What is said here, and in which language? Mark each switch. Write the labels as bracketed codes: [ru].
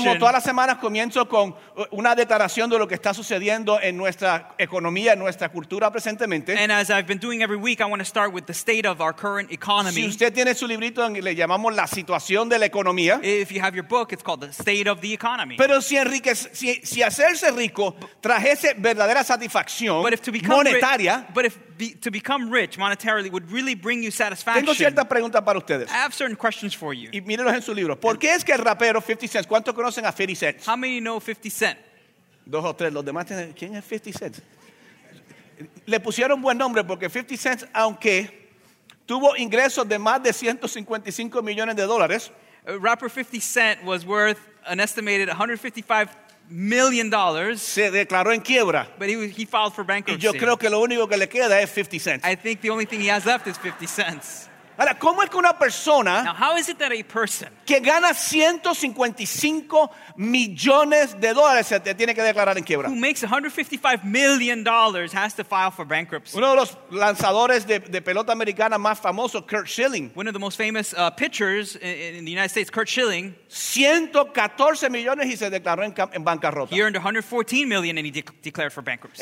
[es] Y como todas las semanas comienzo con una declaración de lo que está sucediendo en nuestra economía, en nuestra cultura presentemente. [en] And as I've been doing every week, I want to start with the state of our current economy. [es] Si usted tiene su librito, le llamamos la situación de la economía. [en] If you have your book, it's called the state of the economy. [es] Pero si Enrique, si hacerse rico trajese verdadera satisfacción, [en] but if to become [es] monetaria, [en] but if to become rich monetarily would really bring you satisfaction. [es] Tengo ciertas preguntas para ustedes. [en] I have certain questions for you. [es] Y mírenlos en su libro. ¿Por qué es que el rapero 50 Cent? ¿Cuántos conocen a 50 Cent? [en] How many know 50 Cent? [es] Dos o tres. Los demás tienen. ¿Quién es 50 Cent? Le pusieron buen nombre porque 50 Cent, aunque tuvo ingresos de más de 155 millones de dólares. [en] Rapper 50 Cent was worth an estimated $155 million. [es] Se declaró en quiebra. [en] But he filed for bankruptcy. [es] Y yo creo que lo único que le queda es 50 cents. [en] I think the only thing he has left is 50 cents. [es] Ahora, ¿cómo es que una persona que gana 155 millones de dólares se tiene que declarar en quiebra? [en] Who makes $155 million has to file for bankruptcy. [es] Uno de los lanzadores de pelota americana más famoso, Curt Schilling. [en] One of the most famous pitchers in the United States, Curt Schilling. [es] 114 millones y se declaró en bancarrota. [en] He earned $114 million and he declared for bankruptcy.